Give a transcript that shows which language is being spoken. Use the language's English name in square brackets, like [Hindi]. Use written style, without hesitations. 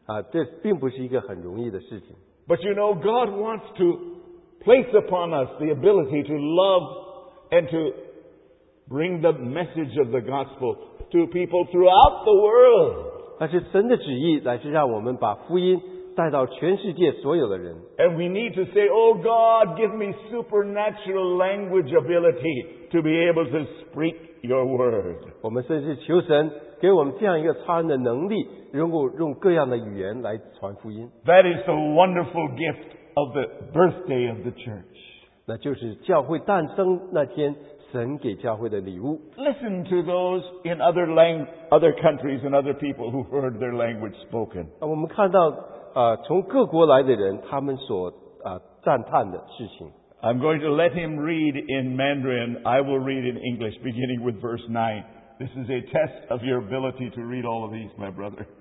[Chinese] 这并不是一个很容易的事情。 [English] But you know, God wants to place upon us the ability to love and to bring the message of the gospel to people throughout the world. [Chinese] 那是神的旨意，乃是让我们把福音带到全世界所有的人。 [English] And we need to say, Oh God, give me supernatural language ability to be able to speak your word. [Chinese] 我们甚至求神给我们这样一个超人的能力，能够用各样的语言来传福音。 [English] That is the wonderful gift of the birthday of the church. [Chinese] 那就是教会诞生那天神给教会的礼物。 [English] Listen to those in other countries and other people who heard their language spoken. [Chinese] 我们看到从各国来的人他们所赞叹的事情。 [English] I'm going to let him read in Mandarin. I will read in English beginning with verse 9. This is a test of your ability to read all of these, my brother.